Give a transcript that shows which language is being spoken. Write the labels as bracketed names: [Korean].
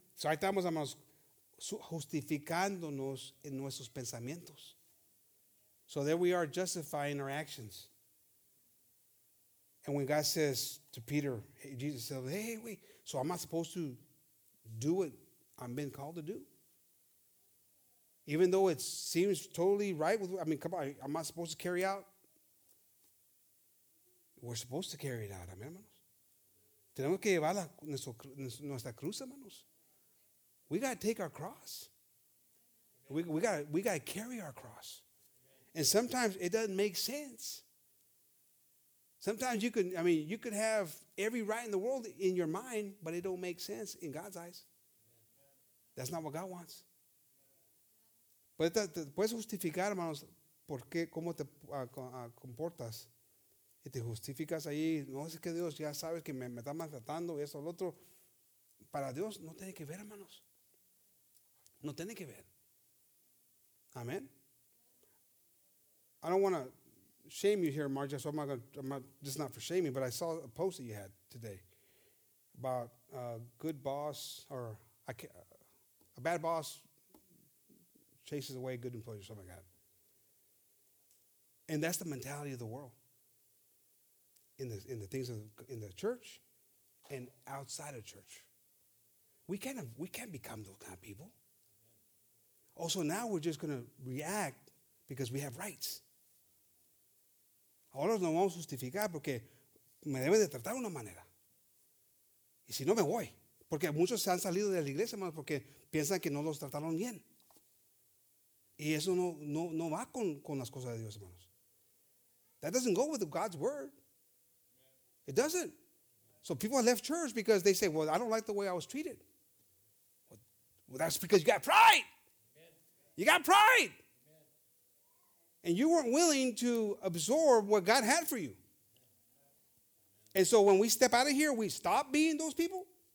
[Spanish] So ahí estamos, hermanos, justificándonos en nuestros pensamientos. [English] So there we are justifying our actions. And when God says to Peter, hey, Jesus says, hey, wait. So I'm not supposed to do what I'm being called to do? Even though it seems totally right with, I mean, come on, I'm not supposed to carry out? We're supposed to carry it out, amen, hermanos. [Spanish] Tenemos que llevar nuestra cruz, hermanos. [English] We got to take our cross. We got to carry our cross. And sometimes it doesn't make sense. Sometimes you could have every right in the world in your mind, but it don't make sense in God's eyes. That's not what God wants. [Spanish] Pero te puedes justificar, hermanos, por qué, cómo te comportas. Y te justificas ahí. No es que Dios ya sabes que me está maltratando y eso, lo otro. Para Dios no tiene que ver, hermanos. No tiene que ver. Amén. [English] I don't want to shame you here, Marja, so I'm not just not for shaming, but I saw a post that you had today about a good boss or a bad boss chases away a good employee or something like that. And that's the mentality of the world in the things of in the church and outside of church. We can't become those kind of people. Also, now we're just going to react because we have rights. [Spanish] ahora no vamos a justificar porque me debe de tratar de una manera. Y si no, me voy. Porque muchos se han salido de la iglesia, hermanos, porque piensan que no los trataron bien. Y eso no va con las cosas de Dios, hermanos. [English] That doesn't go with God's word. It doesn't. So people have left church because they say, well, I don't like the way I was treated. Well, that's because you got pride. You got pride. And you weren't willing to absorb what God had for you. And so when we step out of here, we stop being those people.